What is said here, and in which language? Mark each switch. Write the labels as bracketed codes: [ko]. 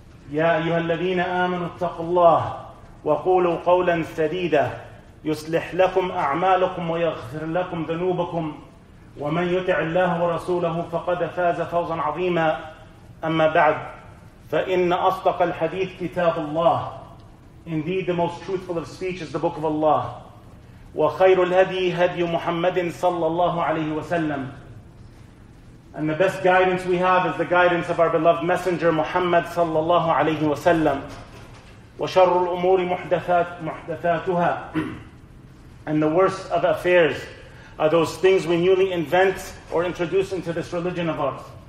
[ar] يا أيها الذين آمنوا اتقوا الله وقولوا قولا سديدا يصلح لكم أعمالكم ويغفر لكم ذنوبكم، ومن يطع الله ورسوله فقد فاز فوزا عظيما. أما بعد، فإن أصدق الحديث كتاب الله. [en] Indeed, the most truthful of speech is the book of Allah. [ar] وخير الهدي هدي محمد صلى الله عليه وسلم. [en] And the best guidance we have is the guidance of our beloved messenger Muhammad [ar] صلى الله عليه وسلم. وشر الأمور محدثاتها. [en] And the worst of affairs are those things we newly invent or introduce into this religion of ours.